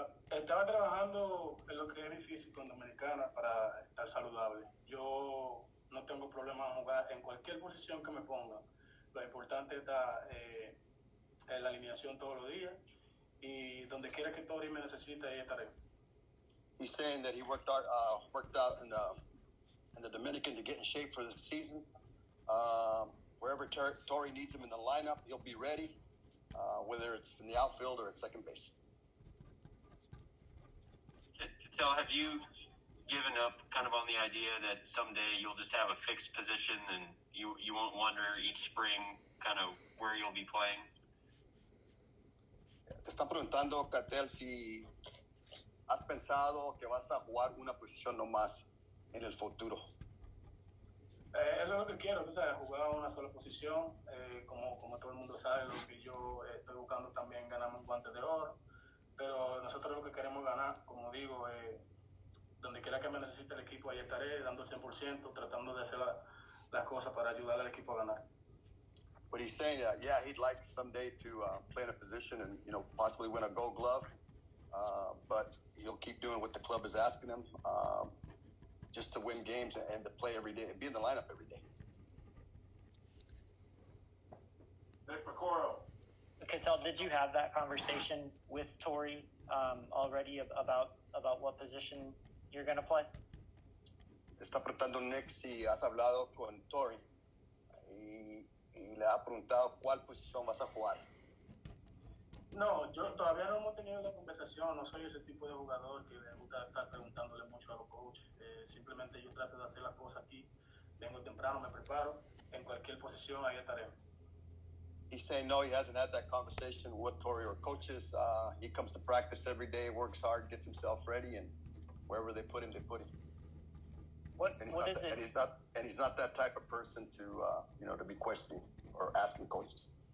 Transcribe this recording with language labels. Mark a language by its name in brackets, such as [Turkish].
[Spanish] Estaba trabajando en lo que es mi físico en Dominicana para estar saludable. Yo no tengo problema en jugar en cualquier posición que me ponga. Lo importante está en la alineación todos los días, y donde quiera que Tori me necesite, ahí estaré. [English] He's saying that he worked out in the Dominican to get in shape for the season. Wherever Tori needs him in the lineup, he'll be ready, whether it's in the outfield or at second base. Tell, have you given up kind of on the idea that someday you'll just have a fixed position and you won't wonder each spring kind of where you'll be playing? [Spanish] Te están preguntando, Cartel, si has pensado que vas a jugar una posición nomás en el futuro. Eso es lo que quiero, tú sabes, jugar una sola posición. Como todo el mundo sabe, lo que yo estoy buscando también es ganarme un guante de oro. Pero nosotros lo que queremos ganar, como digo, donde quiera que me necesite el equipo, ahí estaré dando el 100%, tratando de hacer las cosas para ayudar al equipo a ganar. [English] What he's saying, yeah, he'd like someday to play in a position and, you know, possibly win a gold glove. But he'll keep doing what the club is asking him. Just to win games and to play every day, be in the lineup every day. Nick Picoro. Cattell, did you have that conversation with Tori already about what position you're going to play? [Spanish] Está preguntando Nick si has hablado con Tori y le ha preguntado cuál posición vas a jugar. No, yo todavía no hemos tenido la conversación. No soy ese tipo de jugador que le gusta estar preguntándole mucho a los coaches. Simplemente yo trato de hacer las cosas aquí. Vengo temprano, me preparo. En cualquier posición, ahí estaré. [English] He's saying no, he hasn't had that conversation with Tori or coaches. He comes to practice every day, works hard, gets himself ready, and wherever they put him, they put him. And he's not that type of person to, to be questioning or asking coaches.